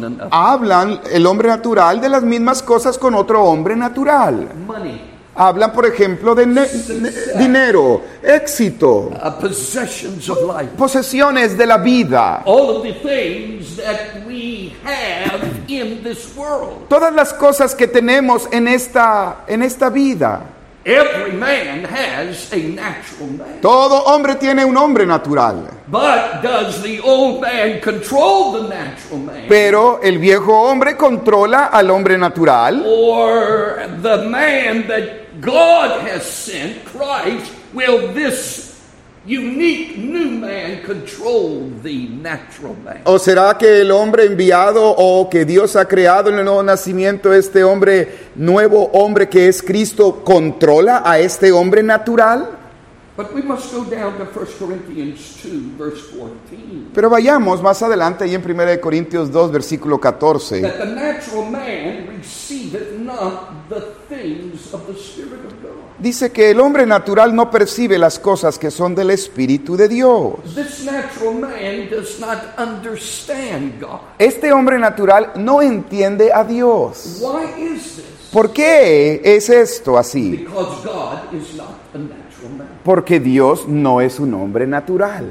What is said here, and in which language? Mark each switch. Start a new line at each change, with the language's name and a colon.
Spanish: Hablan el hombre natural de las mismas cosas con otro hombre natural.
English: Money.
Spanish: Hablan, por ejemplo, de dinero, éxito,
English: possessions of life.
Spanish: Posesiones de la vida.
English: All of the things that we have in this world.
Spanish: Todas las cosas que tenemos en esta vida.
English: Every man has a natural man.
Spanish: Todo hombre tiene un hombre natural.
English: But does the old man control the natural man?
Spanish: Pero el viejo hombre controla al hombre natural.
English: Or the man that God has sent, Christ, will this unique new man control the natural man?
Spanish: ¿O será que el hombre enviado o que Dios ha creado en el nuevo nacimiento, este hombre, nuevo hombre que es Cristo, controla a este hombre natural?
English: But we must go down to 1 Corinthians 2, verse 14.
Spanish: Pero vayamos más adelante ahí en 1 Corintios 2, versículo 14.
English: That the natural man receiveth not the things of the Spirit of God.
Spanish: Dice que el hombre natural no percibe las cosas que son del Espíritu de Dios.
English: This natural man does not understand God.
Spanish: Este hombre natural no entiende a Dios.
English: Why is this?
Spanish: ¿Por qué es esto así?
English: Because God is not a natural man.
Spanish: Porque Dios no es un hombre natural.